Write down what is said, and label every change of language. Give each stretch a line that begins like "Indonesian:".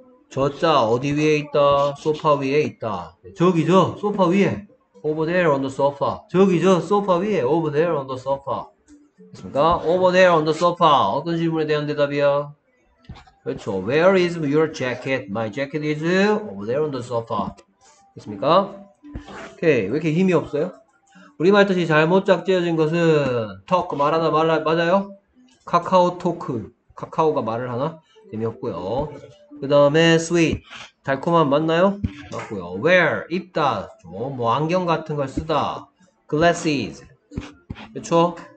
Korean: 저자 어디 위에 있다? 소파 위에 있다. 저기죠? 소파 위에.
English: Over there on the sofa.
Korean: 저기죠? 소파 위에.
English: Over there on the sofa.
Korean: 됐습니까?
English: Over there on the sofa.
Korean: 어떤 질문에 대한 대답이야? 그렇죠.
English: Where is your jacket? My jacket is over there on the sofa.
Korean: 됐습니까? 오케이. 왜 이렇게 힘이 없어요? 우리말 뜻이 잘못 짝지어진 것은 talk, 말하다, 말라, 맞아요? 카카오 토크. 카카오가 말을 하나? 재미없고요. 그 다음에 sweet. 달콤한 맞나요? 맞고요. wear. 입다. 뭐 안경 같은 걸 쓰다. glasses. 그쵸?